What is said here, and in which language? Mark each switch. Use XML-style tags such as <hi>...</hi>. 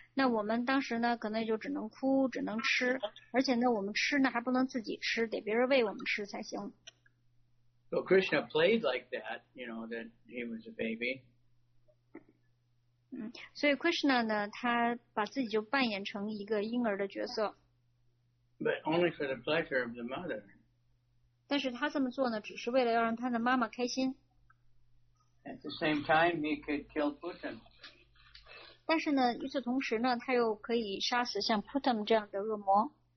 <zh>那我们当时呢，可能就只能哭，只能吃，而且呢，我们吃呢还不能自己吃，得别人喂我们吃才行。</zh> <en>So Krishna played like that, you know, that he was a baby.</en> <zh>所以 Krishna 呢，他把自己就扮演成一个婴儿的角色。</zh> <en>But only for the pleasure of the mother.</en> <zh>但是他这么做呢，只是为了要让他的妈妈开心。</zh> <en>At the same time, he could kill Putin.</en> <zh>但是呢，与此同时呢，他又可以杀死像 Putin 这样的恶魔。</zh>